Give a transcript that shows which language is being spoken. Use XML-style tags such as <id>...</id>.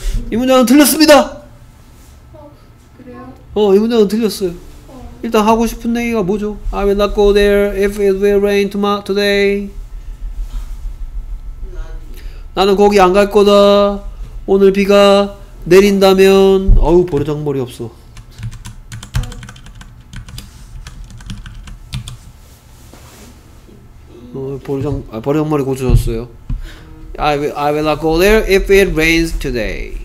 <ko>이 문장은 틀렸습니다! 이 문장은 틀렸어요. 일단 하고 싶은 얘기가 뭐죠?</ko> <en>I will not go there if it will rain today.</en> <ko>나는 거기 안 갈 거다. 오늘 비가 내린다면 어우 버르장머리 없어. 버르장머리 고쳐졌어요.</ko> <en>I will not go there if it rains today.</en>